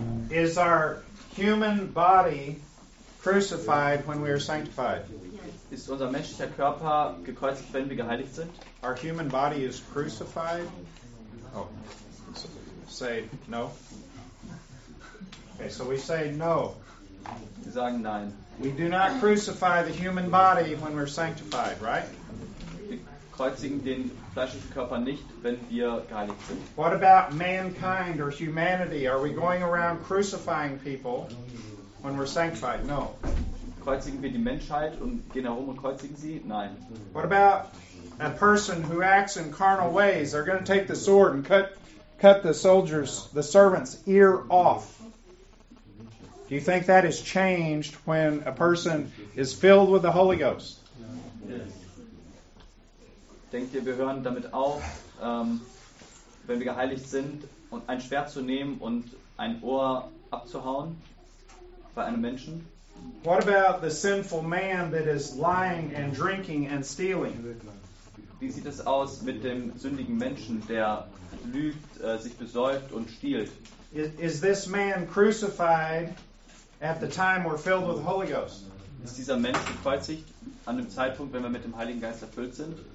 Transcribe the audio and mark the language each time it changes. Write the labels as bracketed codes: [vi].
[en] Is our human body crucified when we are sanctified? [de] Ist unser menschlicher Körper gekreuzigt, wenn wir geheiligt sind? [en] Our human body is crucified. Oh, say no. Okay, so we say no. [de] Wir sagen nein. [en] We do not crucify the human body when we're sanctified, right? [de] Wir kreuzigen den fleischlichen Körper nicht, wenn wir geheiligt sind. [en] What about mankind or humanity? Are we going around crucifying people when we're sanctified? No. [de] Kreuzigen wir die Menschheit und gehen herum und kreuzigen sie? Nein. [en] What about a person who acts in carnal ways? They're going to take the sword and cut the soldier's, the servant's ear off. Do you think that is changed when a person is filled with the Holy Ghost? Yes. [de] Denkt ihr, wir hören damit auf, wenn wir geheiligt sind, und ein Schwert zu nehmen und ein Ohr abzuhauen bei einem Menschen? [en] What about the sinful man that is lying and drinking and stealing? [de] Wie sieht es aus mit dem sündigen Menschen, der lügt, sich besäuft und stiehlt? [en] Is this man crucified at the time we're filled with the Holy Ghost? [de] Ist dieser Mensch gekreuzigt an dem Zeitpunkt, wenn wir mit dem Heiligen Geist erfüllt sind?